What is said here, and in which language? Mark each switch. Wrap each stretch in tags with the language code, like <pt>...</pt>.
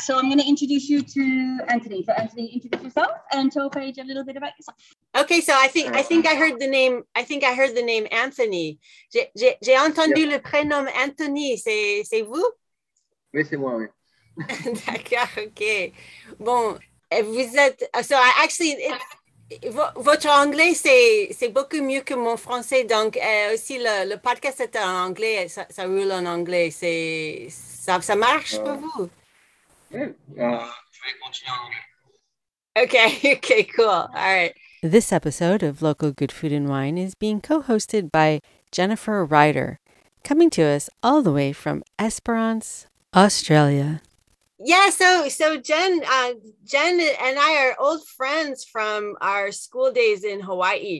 <en>So I'm going to introduce you to Anthony. So Anthony, introduce yourself and tell Paige a little bit about yourself. Okay, so I think I heard the name Anthony.</en> <fr>J'ai entendu le prénom Anthony. C'est vous? Oui, c'est moi. Oui. D'accord. Okay. Bon, vous êtes.</fr> <en>So I actually.</en> <fr>Votre anglais, c'est beaucoup mieux que mon français. Donc, aussi, le podcast est en anglais, ça roule en anglais. Ça marche pour vous? Oui. Je vais continuer en anglais.</fr> <en>OK, cool. All right. This episode of Local Good Food and Wine is being co-hosted by Jennifer Ryder, coming to us all the way from Esperance, Australia. Yeah, so Jen and I are old friends from our school days in Hawaii.</en>